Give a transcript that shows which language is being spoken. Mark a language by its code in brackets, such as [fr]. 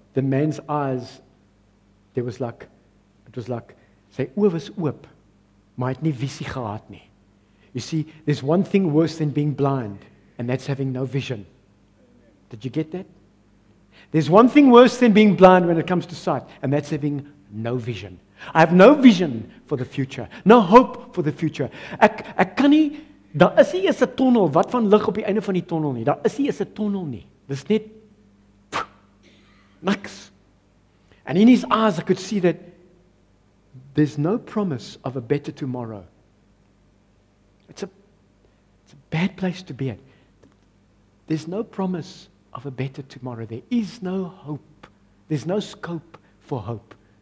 [en] The man's eyes, there was like, it was like, say, [af] oop is oop, maar het nie visie gehad nie. [en] You see, there's one thing worse than being blind, and that's having no vision. Did you get that? There's one thing worse than being blind when it comes to sight, and that's having no vision. I have no vision for the future. No hope for the future. [af] Ek kan nie, daar is nie eens 'n tunnel, wat van lig op die einde van die tunnel nie. Daar is nie eens 'n tunnel nie. Dis net niks. [en] And in his eyes I could see that there's no promise of a better tomorrow. It's a bad place to be at. There's no promise of a better tomorrow. There is no hope. There's no scope for hope.